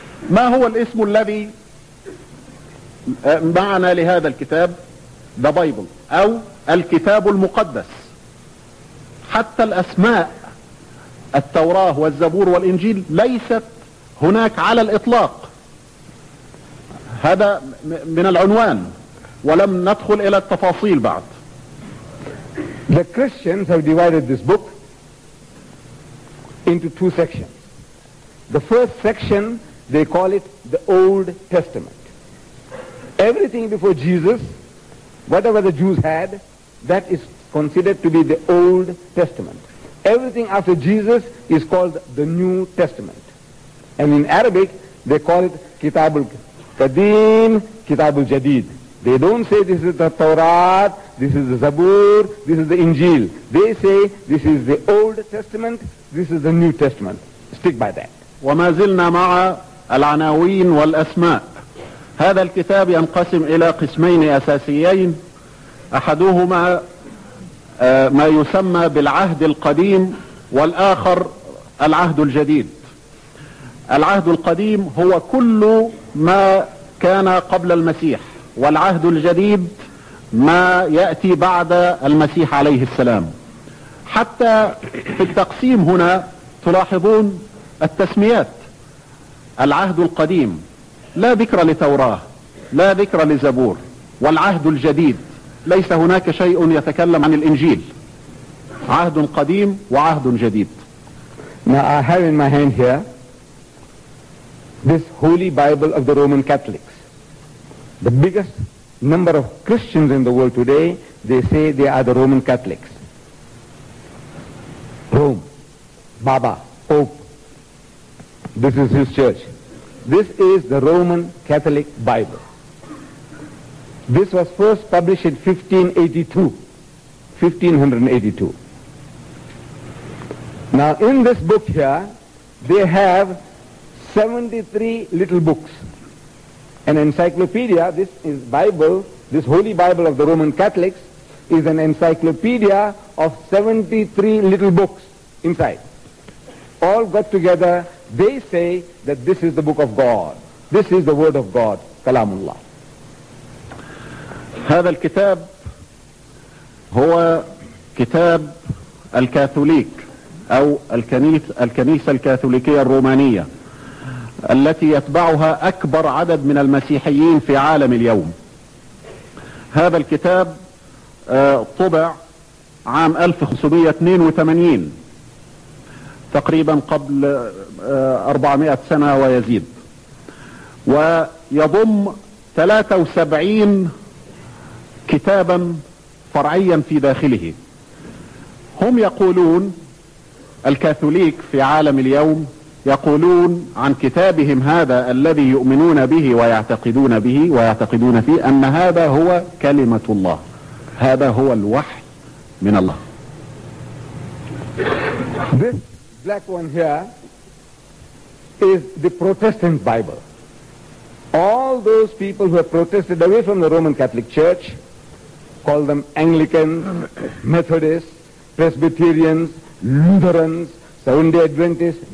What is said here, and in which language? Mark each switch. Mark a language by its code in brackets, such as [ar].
[ar] ما هو الاسم الذي معنا لهذا الكتاب؟ [en] The Bible [ar] أو الكتاب المقدس. حتى الأسماء التوراة والزبور والإنجيل ليست هناك على الإطلاق, هذا من العنوان ولم ندخل إلى التفاصيل بعد. [en] The Christians have divided this book into two sections. The first section, they call it the Old Testament. Everything before Jesus, whatever the Jews had, that is considered to be the Old Testament. Everything after Jesus is called the New Testament. And in Arabic, they call it Kitab al-Qadim, Kitab al-Jadid. They don't say this is the Torah, this is the Zabur, this is the Injil. They say this is the Old Testament, this is the New Testament. Stick by that. [ar] وما زلنا مع العناوين والأسماء. هذا الكتاب ينقسم إلى قسمين أساسيين. أحدهما ما يسمى بالعهد القديم والآخر العهد الجديد. العهد القديم هو كل ما كان قبل المسيح, والعهد الجديد ما يأتي بعد المسيح عليه السلام. حتى في التقسيم هنا تلاحظون التسميات: العهد القديم لا ذكر لتوراة, لا ذكر لزبور, والعهد الجديد ليس هناك شيء يتكلم عن الإنجيل. عهد قديم وعهد جديد. [en] Now I have in my hand here this holy Bible of the Roman Catholics. The biggest number of Christians in the world today, they say they are the Roman Catholics. Rome, Baba, Pope, this is his church. This is the Roman Catholic Bible. This was first published in 1582. Now in this book here, they have 73 little books. An encyclopedia, this is Bible, this Holy Bible of the Roman Catholics, is an encyclopedia of 73 little books inside. All got together, they say that this is the book of God. This is the word of God, Kalamullah. [ar] هذا الكتاب هو كتاب الكاثوليك أو الكنيسة الكاثوليكية الرومانية التي يتبعها أكبر عدد من المسيحيين في عالم اليوم. هذا الكتاب طبع عام 1582 تقريبا قبل 400 سنة ويزيد، ويضم 73 كتابا فرعيا في داخله. هم يقولون الكاثوليك في عالم اليوم يقولون عن كتابهم هذا الذي يؤمنون به ويعتقدون به ويعتقدون فيه أن هذا هو كلمة الله، هذا هو الوحي من الله. [en] This black one here is the Protestant Bible. All those people who have protested away from the Roman Catholic Church, call them Anglican, Methodist, Presbyterians, Lutherans, Seventh-day Adventists.